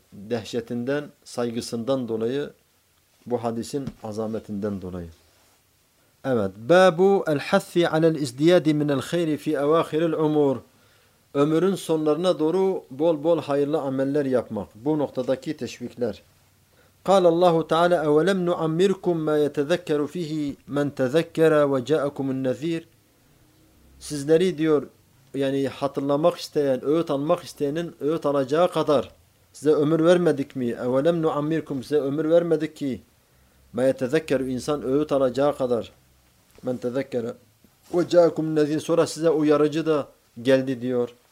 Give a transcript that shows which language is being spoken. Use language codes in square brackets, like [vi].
[tr] Dehşetinden, saygısından dolayı, bu hadisin azametinden dolayı. Evet. [ar] Bâbu el-hassi alel-izdiyâdi minel-khayri fi evâkhiril-umûr. [tr] Ömrün sonlarına doğru bol bol hayırlı ameller yapmak. Bu noktadaki teşvikler. [ar] قال الله تعالى أولم نعمركم ما يتذكر فيه من تذكر وجاءكم النذير. [tr] Sizleri diyor yani hatırlamak isteyen, öğüt almak isteyenin öğüt alacağı kadar size ömür vermedik mi? [ar] أولم نعمركم, [tr] size ömür vermedik ki [ar] ما يتذكر, [tr] insan öğüt alacağı kadar [ar] من تذكر وجاءكم النذير, [tr] sonra size uyarıcı da geldi diyor.